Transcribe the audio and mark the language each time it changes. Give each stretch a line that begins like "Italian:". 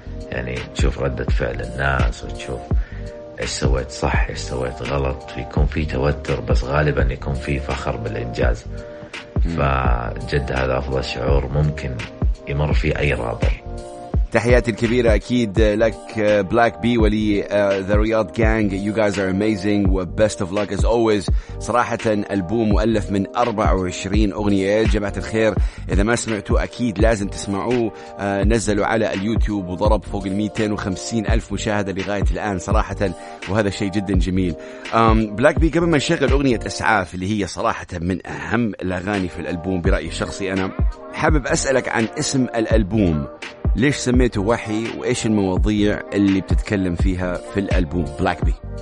Arabic: يعني تشوف ردة فعل الناس، وتشوف إيش سويت صح إيش سويت غلط، يكون في توتر بس غالبا يكون في فخر بالإنجاز. فجد هذا أفضل شعور ممكن يمر فيه أي رابر. تحياتي الكبيرة أكيد لك بلاك بي ولي The Riyadh Gang.
English: You guys are amazing وbest of luck as always.
Arabic: صراحة ألبوم مؤلف من 24 أغنية يا جماعة الخير، إذا ما سمعتوا أكيد لازم تسمعوه. نزلوا على اليوتيوب وضرب فوق 250 ألف مشاهدة لغاية الآن صراحة، وهذا شيء جدا جميل. بلاك بي قبل ما نشغل أغنية إسعاف اللي هي صراحة من أهم الأغاني في الألبوم برأيي الشخصي، أنا حابب أسألك عن اسم الألبوم، ليش سميته وحي، وإيش المواضيع اللي بتتكلم فيها في الألبوم بلاك بي؟